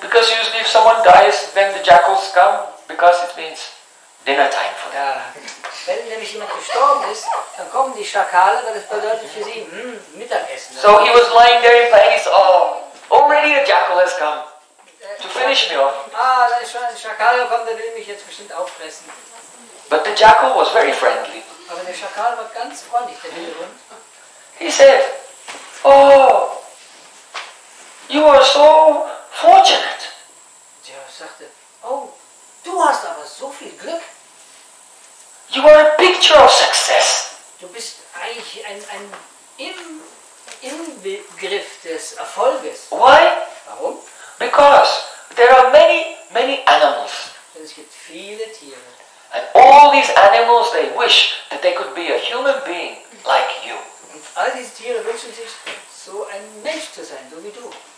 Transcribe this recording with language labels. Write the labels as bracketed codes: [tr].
[en] Because usually if someone dies, then the jackals come, because it means dinner time for them. [de] Wenn nämlich jemand gestorben ist, dann kommen die Schakale, weil das bedeutet für sie, Mittagessen. [en] So he was lying there in pain, already a jackal has come, to finish me off. [de] Ah, da ist schon ein Schakal gekommen, der will mich jetzt bestimmt auffressen. [en] But the jackal was very friendly. [de] Aber der Schakal war ganz freundlich, der wilde Hund. [en] He said, oh, you are so fortunate. [de] Der sagte, oh, du hast aber so viel Glück. [en] You are a picture of success. [de] Du bist eigentlich ein Inbegriff des Erfolges. [en] Why? [de] Warum? [en] Be- because there are many, many animals. [de] Es gibt viele Tiere. [en] And all these animals, they wish that they could be a human being like you. [de] Und all diese Tiere wünschen sich, so ein Mensch zu sein, so wie du.